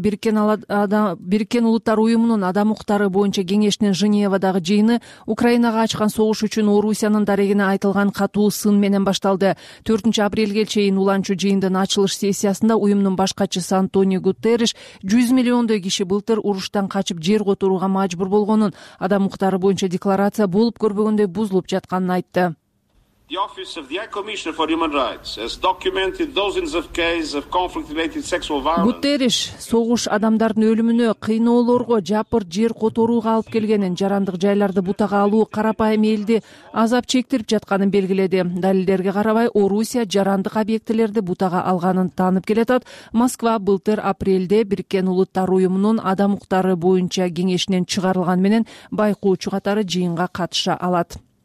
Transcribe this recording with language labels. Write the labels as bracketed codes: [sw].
[ky] Бириккен улуттар уюмунун адам укуктары боюнча кеңешинин Женевадагы жыйыны Украинага ачкан согуш үчүн Орусиянын дарегине айтылган катуу сын менен башталды. 4-апрелге чейин уланчу жыйындын ачылыш сессиясында уюмдун баш катчысы Антонио Гутерреш 100 миллиондой киши былтыр уруштан качып жер которууга мажбур болгонун, адам укуктары боюнча декларация болуп көрбөгөндөй бузулуп жатканын айтты. [en] The Office of the High Commissioner for Human Rights has documented dozens of cases of conflict-related sexual violence. [ky] Гутерреш согуш адамдардын өлүмүнө, кыйноолорго, жапыр жер которууга алып келгенин, жарандык жайларды бутага алуу карапайым элди азап чектирип жатканын белгиледи. Далилдерге карабай, Орусия жарандык объектилерди бутага алганын таанып келатат. Москва былтыр апрелде Бириккен Улуттар Уюмунун адам укуктары боюнча кеңешинен чыгарылган менен байкоочу катары жыйынга катыша алат.